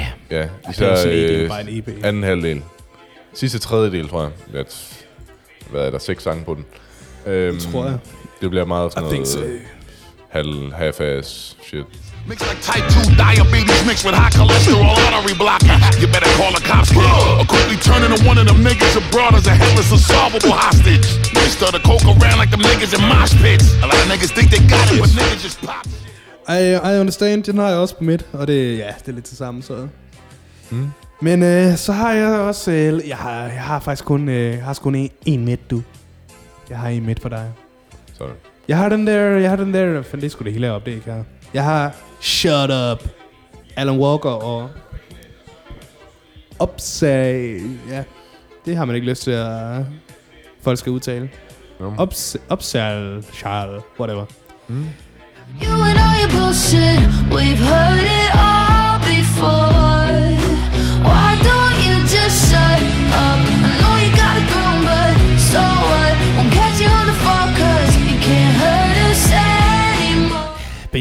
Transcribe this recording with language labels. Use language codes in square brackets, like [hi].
[da] Ja, især en anden halvdel. Sidste tredjedel, tror jeg. At, hvad er der, 6 sange på den? Tror jeg. Det bliver meget sådan noget [en] half-ass shit. Mix like type 2 diabetes mixed with high cholesterol artery blocker. You better call the cops here. Or quickly turn into one of them niggas abroad as a helpless unsolvable hostage. They stir the coke around like them niggas in mosh pits. A lot of niggas think they got it, but niggas just pop. I understand, [da] den har jeg også på midt, og det, ja, det er lidt det samme, så. Men så har jeg også, jeg har faktisk kun, en midt, du. Jeg har en midt for dig. Sorry. Jeg har den der, fandt det sgu det hele op, det ikke her. Jeg har Shut Up, Alan Walker og Upsay, ja. Det har man ikke lyst til, at folk skal udtale. [en] No. Upsay, Charl, whatever. You and all your bullshit, we've heard it all before. Why don't you just shut up? I know you got a groom, but so what? Won't catch you on the phone, cause you can't hurt us anymore.